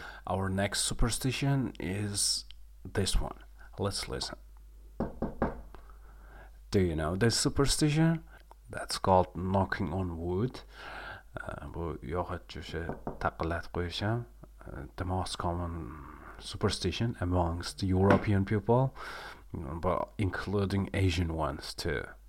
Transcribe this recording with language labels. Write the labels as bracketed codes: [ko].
[en] Our next superstition is this one. Let's listen. Do you know this superstition? That's called knocking on wood. [uz] Bu yog'ochcha taqillat qo'yisham. [en] The most common superstition amongst the European people, but including Asian ones too.